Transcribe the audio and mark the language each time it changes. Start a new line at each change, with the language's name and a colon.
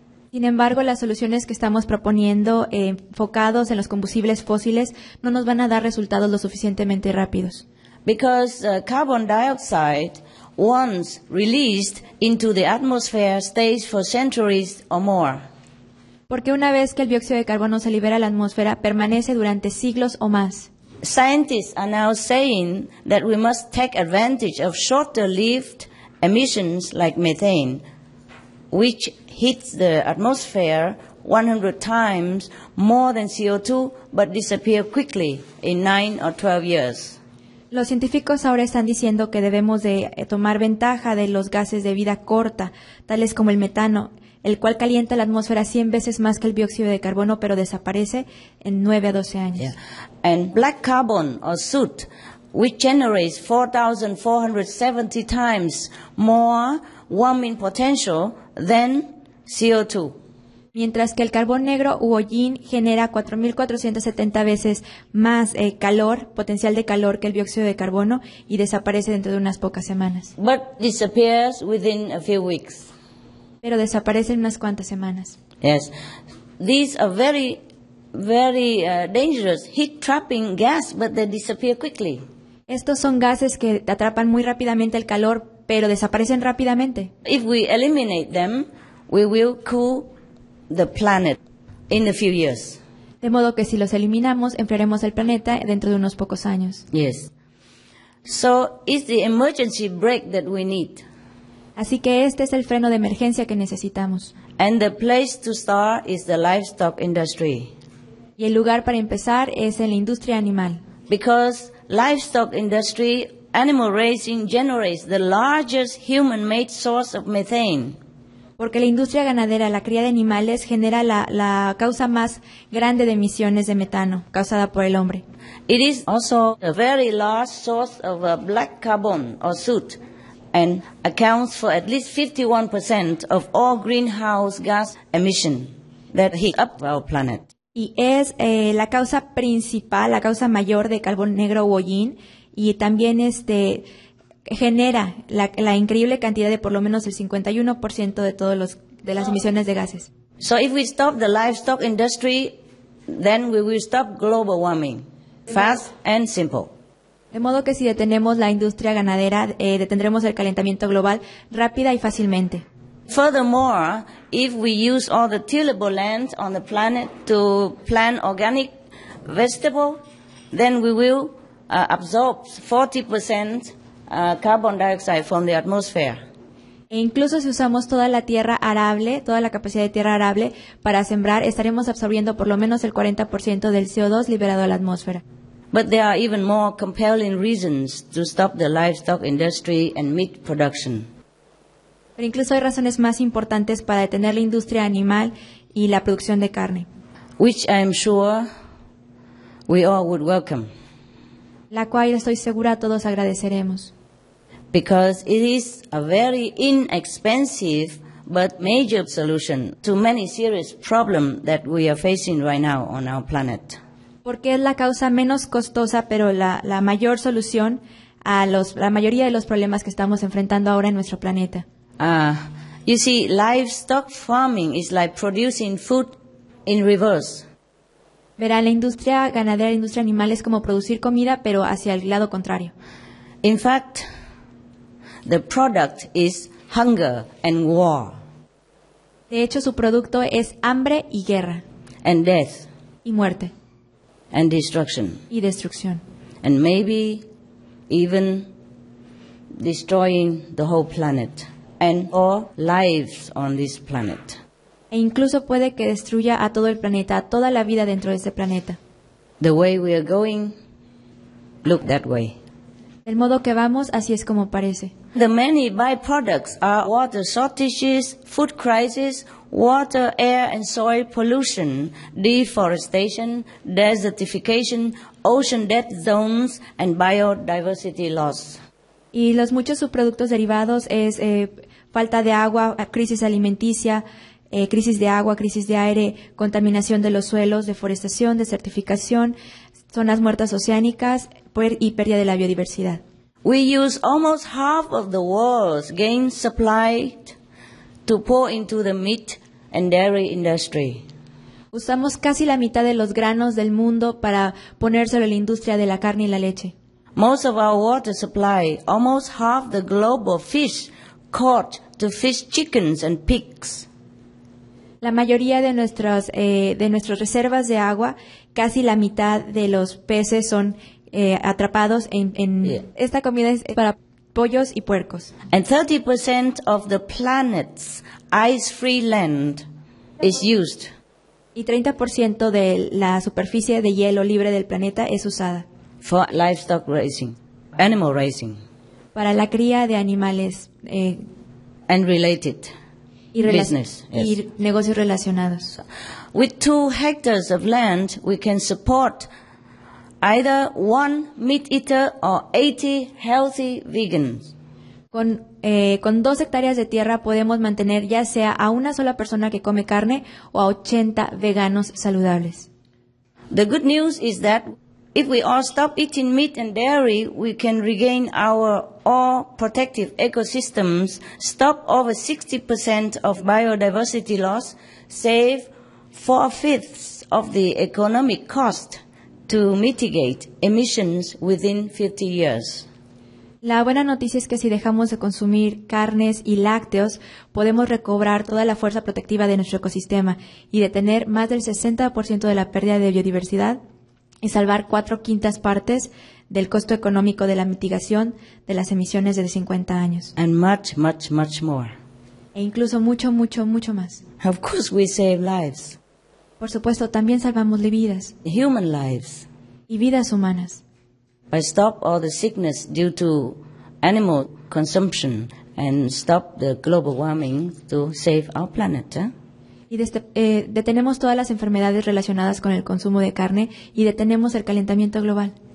Spanish: Sin embargo, las soluciones que estamos proponiendo enfocados en los combustibles fósiles no nos van a dar resultados lo suficientemente rápidos.
English: Because carbon dioxide, once released into the atmosphere, stays for centuries or more.
Spanish: Porque una vez que el dióxido de carbono se libera a la atmósfera, permanece durante siglos o más.
English: Scientists are now saying that we must take advantage of shorter-lived emissions like methane, which hits the atmosphere 100 times more than CO2, but disappear quickly in 9 or 12 years.
Spanish: Los científicos ahora están diciendo que debemos de tomar ventaja de los gases de vida corta, tales como el metano, el cual calienta la atmósfera 100 veces más que el dióxido de carbono, pero desaparece en 9 a 12 años.
English: Yeah. And black carbon or soot, which generates 4,470 times more warming potential than CO2.
Spanish: Mientras que el carbón negro u hollín genera 4,470 veces más calor, potencial de calor, que el dióxido de carbono y desaparece dentro de unas pocas semanas.
English: But disappears within a few weeks.
Spanish: Pero desaparece en unas cuantas semanas.
English: Yes. These are very, very dangerous heat-trapping gas, but they disappear quickly.
Spanish: Estos son gases que atrapan muy rápidamente el calor, pero desaparecen rápidamente.
English: If we eliminate them, we will cool the planet in a few years.
Spanish: De modo que si los eliminamos, enfriaremos el planeta dentro de unos pocos años.
English: Yes. So it's the emergency brake that we need.
Spanish: Así que este es el freno de emergencia que necesitamos.
English: And the place to start is the livestock industry.
Spanish: Y el lugar para empezar es en la industria animal.
English: Because livestock industry, animal raising, generates the largest human-made source of methane.
Spanish: Porque la industria ganadera, la cría de animales, genera la causa más grande de emisiones de metano causada por el hombre.
English: It is also a very large source of black carbon or soot and accounts for at least 51% of all greenhouse gas emission that heat up our planet.
Spanish: Y es la causa principal, la causa mayor de carbón negro o hollín y también genera la increíble cantidad de por lo menos el 51% de todas las emisiones de gases.
English: So if we stop the livestock industry, then we will stop global warming, fast and simple.
Spanish: De modo que si detenemos la industria ganadera, detendremos el calentamiento global rápida y fácilmente.
English: Furthermore, if we use all the tillable land on the planet to plant organic vegetables, then we will absorb 40% carbon dioxide from the atmosphere.
Spanish: E incluso si usamos toda la tierra arable, toda la capacidad de tierra arable para sembrar, estaremos absorbiendo por lo menos el 40% del CO2 liberado a la atmósfera.
English: But there are even more compelling reasons to stop the livestock industry and meat production.
Spanish: Pero incluso hay razones más importantes para detener la industria animal y la producción de carne.
English: Which I am sure we all would welcome.
Spanish: La cual estoy segura todos agradeceremos.
English: Because it is a very inexpensive but major solution to many serious problems that we are facing right now on our planet.
Spanish: Porque es la causa menos costosa, pero la mayor solución a la mayoría de los problemas que estamos enfrentando ahora en nuestro planeta.
English: You see, livestock farming is like producing food in reverse.
Spanish: Verán, la industria ganadera, la industria animal es como producir comida, pero hacia el lado contrario.
English: In fact, the product is hunger and war.
Spanish: De hecho, su producto es hambre y guerra.
English: And death.
Spanish: Y muerte.
English: And destruction.
Spanish: Y destrucción.
English: And maybe even destroying the whole planet and all lives on this planet.
Spanish: E incluso puede que destruya a todo el planeta, a toda la vida dentro de este planeta.
English: The way we are going, look that way.
Spanish: El modo que vamos, así es como parece.
English: The many byproducts are water shortages, food crisis, water, air and soil pollution, deforestation, desertification, ocean death zones and biodiversity loss.
Spanish: Y los muchos subproductos derivados es falta de agua, crisis alimenticia, crisis de agua, crisis de aire, contaminación de los suelos, deforestación, desertificación, zonas muertas oceánicas y pérdida de la biodiversidad.
English: We use almost half of the world's grain supply to pour into the meat and dairy industry.
Spanish: Usamos casi la mitad de los granos del mundo para ponérselo en la industria de la carne y la leche.
English: Most of our water supply, almost half the global fish caught to fish chickens and pigs.
Spanish: La mayoría de nuestras reservas de agua, casi la mitad de los peces son atrapados en
English: yeah.
Spanish: Esta comida es para pollos y puercos.
English: And 30% of the planet's ice-free land is used.
Spanish: Y 30% de la superficie de hielo libre del planeta es usada.
English: For livestock raising, animal raising.
Spanish: Para la cría de animales.
English: And related.
Spanish: Y
English: business.
Spanish: Y
English: yes.
Spanish: Negocios relacionados.
English: With 2 hectares of land, we can support either 1 meat eater or 80 healthy vegans.
Spanish: Con 2 hectáreas de tierra podemos mantener ya sea a una sola persona que come carne o a 80 veganos saludables.
English: The good news is that if we all stop eating meat and dairy, we can regain our all protective ecosystems, stop over 60% of biodiversity loss, save 4/5 of the economic cost to mitigate emissions within 50 years.
Spanish: La buena noticia es que si dejamos de consumir carnes y lácteos, podemos recobrar toda la fuerza protectiva de nuestro ecosistema y detener más del 60% de la pérdida de biodiversidad y salvar 4/5 partes del costo económico de la mitigación de las emisiones de 50 años.
English: And much, much, much more.
Spanish: E incluso mucho, mucho, mucho más.
English: Of course we save lives.
Spanish: Por supuesto, también salvamos vidas.
English: Human lives.
Spanish: Y vidas humanas.
English: By stop all the sickness due to animal consumption and stop the global warming to save our planet.
Spanish: Y detenemos todas las enfermedades relacionadas con el consumo de carne y detenemos el calentamiento global.